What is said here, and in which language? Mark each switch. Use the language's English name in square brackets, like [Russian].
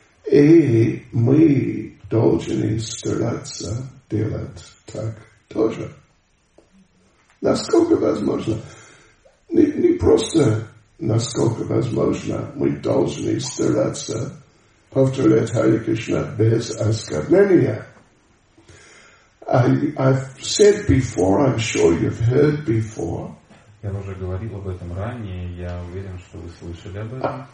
[Russian] И мы должны стараться делать так тоже. Насколько возможно, не просто насколько возможно, мы должны стараться повторять Хари Кришна без оскорбления. [English] I've said before, I'm sure you've heard before. [Russian] Я уже говорил об этом ранее, я уверен, что вы слышали об этом.